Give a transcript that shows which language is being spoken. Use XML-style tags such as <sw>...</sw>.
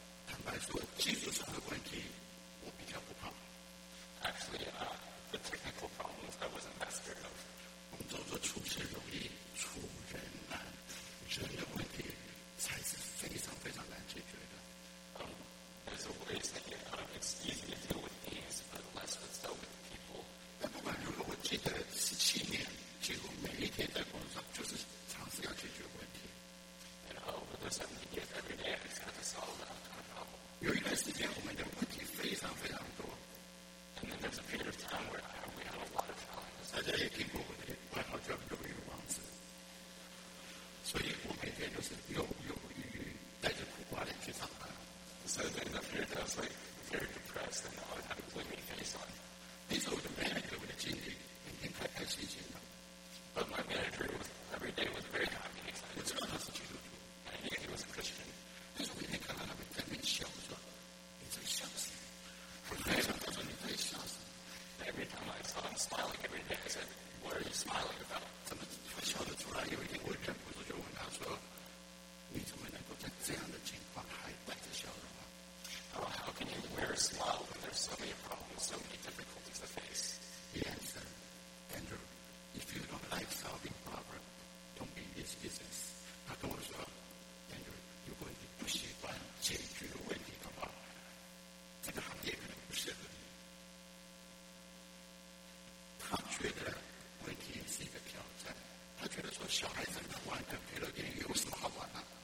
<zh>坦白说，技术上的问题我比较不怕。</zh> <en>Actually, the technical problems I wasn't that scared of.</en> <zh>我们都说处事容易，处人难，人的问题才是非常非常难解决的。</zh> <en>There's a way to say it's easy to deal with things, but less to deal with people.</en> <zh>但不管如何，我记得17年几乎每一天在工作上就是尝试要解决问题。</zh> <en>And over those 17 years, every day I just had to solve that kind of problem.</en> <zh>有一段时间我们的问题非常非常多。</zh> <en>And then there's a period of time where we had a lot of challenges.</en> <zh>大家也听过我的外号叫鱿鱼王子。所以我每天都是鱿鱼，带着苦瓜脸去上班。</zh> <en>So then the period I was like very depressed and I would have a gloomy face on.</en> <zh>那时候我的manager我的经理已经快开始一件了。</zh> <en>But my manager was, every day was very happy and excited.</en> <zh>我知道他是基督徒。</zh> <en>And he was a Christian.</en> <zh>但是我每天看到他们在那边笑，我说你在笑什么？</zh> <en>Every time I saw him smiling every day, I said, what are you smiling about?</en> <zh>怎么会笑得出来？有一天我忍不住就问他说，你怎么能够在这样的情况还带着笑容？</zh> <en>Oh, how can you wear a smile when there's so many problems, so many difficulties to face? The answer, Andrew, if you don't like solving problems, don't be in this business.</en> <zh>他跟我说, Andrew, 如果你不喜欢解决问题的话，这个行业可能不适合你。他觉得问题也是一个挑战。他觉得说，小孩子们玩个电脑游戏有什么好玩呢？</zh>